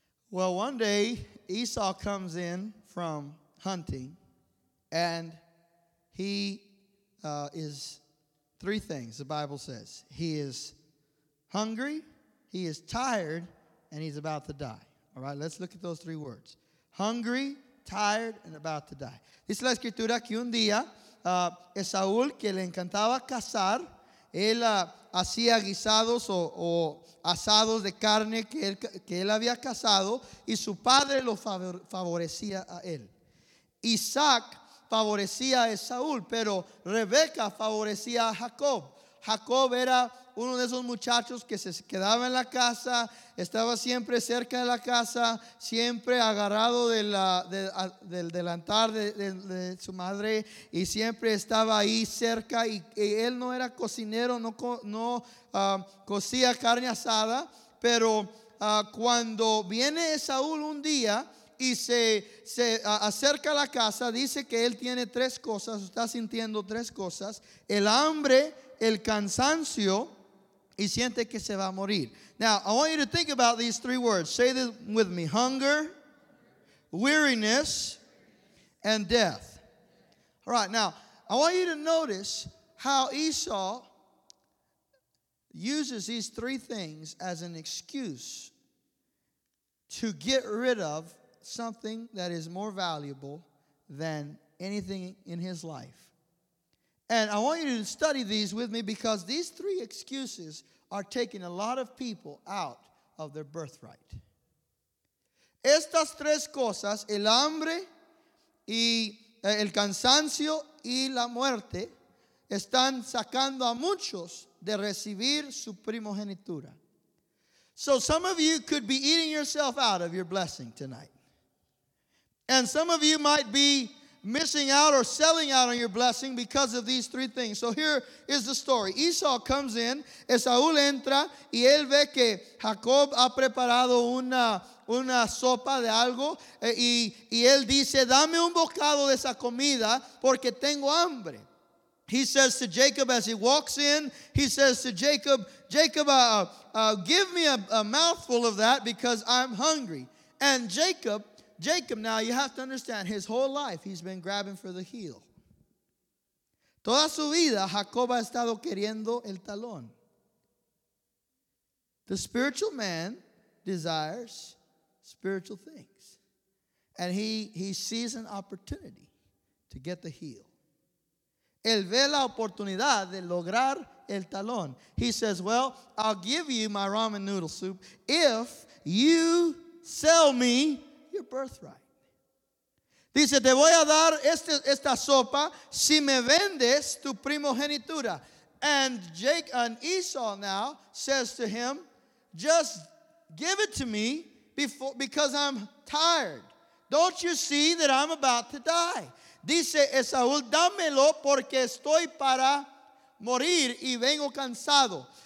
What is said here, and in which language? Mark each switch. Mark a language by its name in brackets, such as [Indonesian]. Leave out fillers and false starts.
[English] Well, one day Esau comes in from hunting, and he is three things, the Bible says. He is hungry, he is tired, and he's about to die. All right, let's look at those three words. Hungry, tired, and about to die. [Spanish] Dice la escritura que un día, Esaú, que le encantaba cazar, él hacía guisados o asados de carne que él había cazado, y su padre lo favorecía a él. Isaac favorecía a Esaú, pero Rebeca favorecía a Jacob. Jacob era uno de esos muchachos que se quedaba en la casa, estaba siempre cerca de la casa, siempre agarrado del delantal de su madre, y siempre estaba ahí cerca, y él no era cocinero, no cocía carne asada, pero cuando viene Esaú un día y se acerca a la casa, dice que él tiene tres cosas, está sintiendo tres cosas: el hambre, el cansancio, y siente que se va a morir. [English] Now, I want you to think about these three words. Say this with me: hunger, weariness, and death. All right, now, I want you to notice how Esau uses these three things as an excuse to get rid of something that is more valuable than anything in his life. And I want you to study these with me, because these three excuses are taking a lot of people out of their birthright. [Spanish] Estas tres cosas, el hambre, y el cansancio y la muerte, están sacando a muchos de recibir su primogenitura. [English] So some of you could be eating yourself out of your blessing tonight. And some of you might be missing out or selling out on your blessing because of these three things. So here is the story. Esau comes in, [Spanish] Esaú entra, y él ve que Jacob ha preparado una sopa de algo, y él dice, dame un bocado de esa comida porque tengo hambre. [English] He says to Jacob as he walks in, he says to Jacob, give me a mouthful of that because I'm hungry. And Jacob, now you have to understand, his whole life he's been grabbing for the heel. [Spanish] Toda su vida, Jacob ha estado queriendo el talón. [English] The spiritual man desires spiritual things. And he sees an opportunity to get the heel. [Spanish] Él ve la oportunidad de lograr el talón. [English] He says, well, I'll give you my ramen noodle soup if you sell me your birthright. [Spanish] Dice, te voy a dar esta sopa si me vendes tu primogenitura. [English] And Esau now says to him, just give it to me because I'm tired. Don't you see that I'm about to die? [Spanish] Dice Esaú, dámelo porque estoy para morir y vengo cansado.